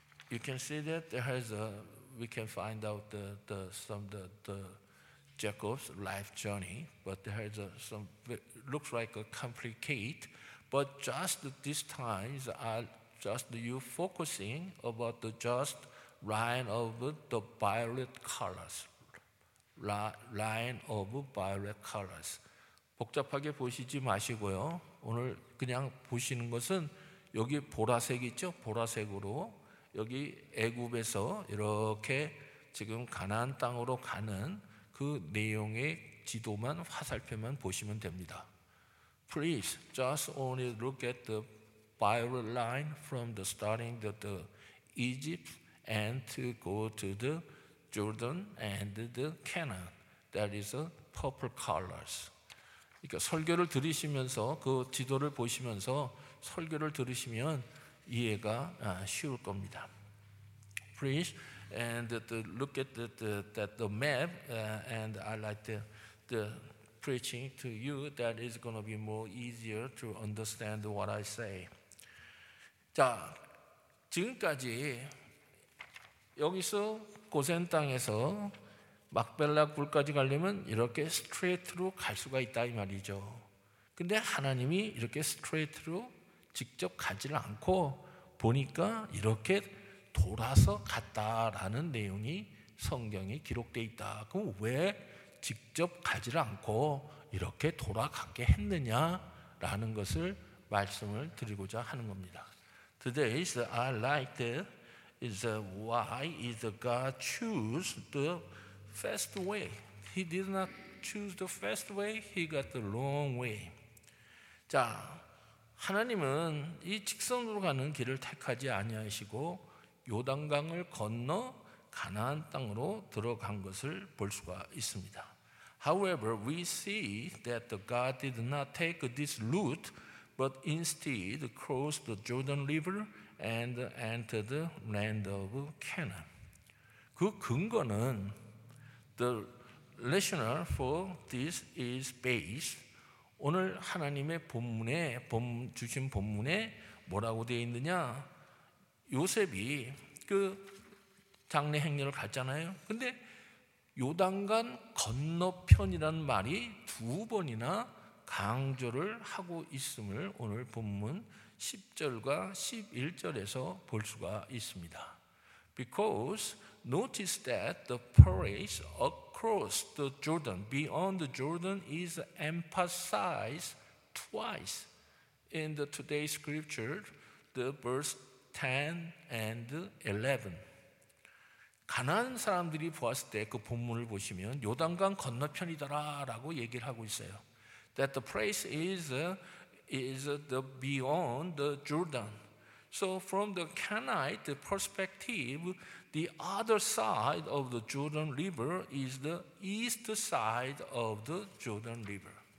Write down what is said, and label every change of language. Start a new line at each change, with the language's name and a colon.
English: You can see that there has a we can find out the Jacob's life journey, but there has a, some looks like a complicate. But just this time, you focusing about the just line of the violet colors, line of violet colors.
Korean: 복잡하게 보시지 마시고요. 오늘 그냥 보시는 것은 여기 보라색 있죠? 보라색으로. 여기 애굽에서 이렇게 지금 가나안 땅으로 가는 그 내용의 지도만 화살표만 보시면 됩니다.
English: Please just only look at the violet line from the starting the Egypt and to go to the Jordan and the Canaan. That is a purple colors.
Korean: 그러니까 설교를 들으시면서 그 지도를 보시면서 설교를 들으시면 이해가 쉬울 겁니다.
English: Please and look at the map and I like the preaching to you that is going to be more easier to understand what I say.
Korean: 자, 지금까지 여기서 고센 땅에서 막벨라 굴까지 가려면 이렇게 스트레이트로 갈 수가 있다 이 말이죠. 근데 하나님이 이렇게 스트레이트로 직접 가지 않고 보니까 이렇게 돌아서 갔다라는 내용이 성경에 기록되어 있다. 그럼 왜 직접 가지 않고 이렇게 돌아가게 했느냐라는 것을 말씀을 드리고자 하는 겁니다.
English: Today is I like is why is God choose the fast way. He did not choose the fast way. He got the long way.
Korean: 자, 하나님은 이 직선으로 가는 길을 택하지 아니하시고 요단강을 건너 가나안 땅으로 들어간 것을 볼 수가 있습니다.
English: However, we see that the God did not take this route, but instead crossed the Jordan River and entered the land of Canaan.
Korean: 그 근거는
English: the rationale for this is based
Korean: 오늘 하나님의 본문에 주신 본문에 뭐라고 되어 있느냐? 요셉이 그 장례 행렬을 갔잖아요. 근데 요단강 건너편이라는 말이 두 번이나 강조를 하고 있음을 오늘 본문 10절과 11절에서 볼 수가 있습니다.
English: Because notice that the place across the Jordan, beyond the Jordan, is emphasized twice in the today's scripture, the verse 10 and 11.
Korean: 가나안 사람들이 보았을 때 그 본문을 보시면 요단강 건너편이더라라고 얘기를 하고 있어요.
English: That the place is the beyond the Jordan. So from the Canaanite perspective, the other side of the Jordan River is the east side of the Jordan River.